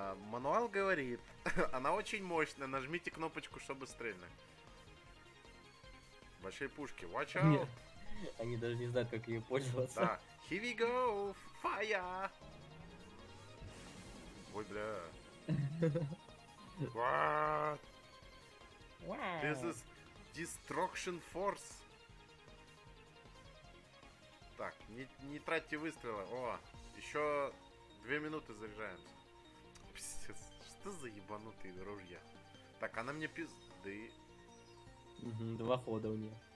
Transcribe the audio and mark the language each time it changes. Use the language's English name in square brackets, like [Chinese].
[Russian] Мануал говорит, она очень мощная, нажмите кнопочку, чтобы стрельнуть. Большие пушки, [English] watch out! [Russian] Они даже не знают, как ее пользоваться. [English] Да, here we go, fire! [Russian] Ой, бля. What? [English] Wow. This is destruction force. [Russian] Так, не тратьте выстрелы. О, еще 2 минуты заряжаемся. Пиздец, что за ебанутые ружья? Так, она мне пизды. Два хода у нее.